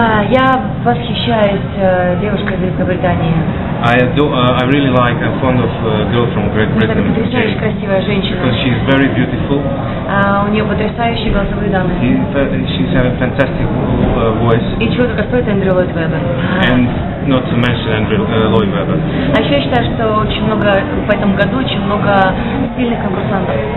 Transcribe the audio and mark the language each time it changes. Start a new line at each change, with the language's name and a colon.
Russian: Я восхищаюсь девушкой из Великобритании.
English: I'm fond of a girl from Great Britain.
Russian: Это потрясающе красивая женщина.
English: Because she is very beautiful.
Russian: У нее потрясающие голосовые данные.
English: She's having fantastic voice.
Russian: И чего только стоит Эндрю Ллойд Вебер.
English: And not to mention Эндрю Ллойд Вебер.
Russian: А еще я считаю, что очень много в этом году очень много сильных конкурсантов.